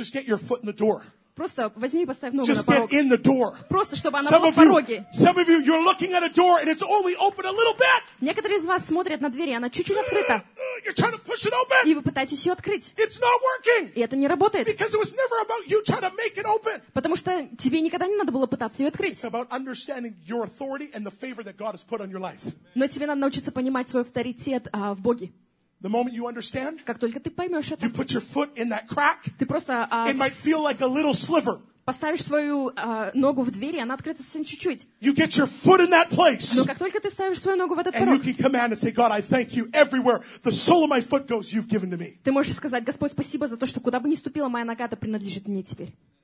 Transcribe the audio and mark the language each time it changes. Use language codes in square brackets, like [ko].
[en] Just get your foot in the door. [ru] Просто возьми и поставь ногу [en] Just [ru] на порог. [en] Get in the door. [ru] Просто чтобы она была в пороге. [en] Some of you, you're looking at a door and it's only open a little bit. [ru] Некоторые из вас смотрят на дверь, и она чуть-чуть открыта. [en] You're trying to push it open. [ru] И вы пытаетесь ее открыть. [en] It's not working. [ru] И это не работает. [en] Because it was never about you trying to make it open. [ru] Потому что тебе никогда не надо было пытаться ее открыть. [en] It's about understanding your authority and the favor that God has put on your life. [ru] Но тебе надо научиться понимать свой авторитет в Боге. [en] The moment you understand, [ru] как только ты поймешь это, [en] you put your foot in that crack, [ru] ты просто, [en] it might feel like a little sliver. [ru] Поставишь свою ногу в дверь, и она открыта совсем чуть-чуть. [en] You get your foot in that place, [ru] но как только ты ставишь свою ногу в этот [en] and [ru] порог, [en] you can command and say, God, I thank you everywhere. The sole of my foot goes, you've given to me. [ru] Ты можешь сказать: Господь, спасибо за то, что куда бы ни ступила моя нога, это принадлежит мне теперь.